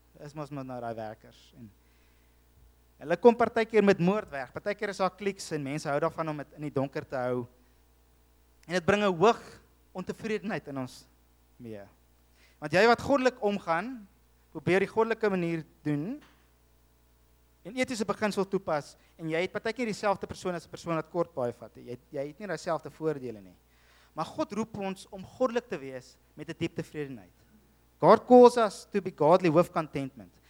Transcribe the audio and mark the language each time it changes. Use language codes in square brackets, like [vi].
[af] Is mos maar nou daai werkers en hulle kom partykeer met moord weg. Partykeer is daar kliks en mense hou daarvan om dit in die donker te hou. En dit bring 'n hoog ontevredenheid in ons mee. Want jy wat goddelik omgaan, probeer die goddelike manier doen en etiese beginsel toepas en jy het partykeer dieselfde persoon as 'n persoon wat kort paaie vat. Jy het nie dieselfde voordele nie. Maar God roep ons om goddelik te wees met 'n diepte vredeheid. [en] God calls us to be godly with contentment.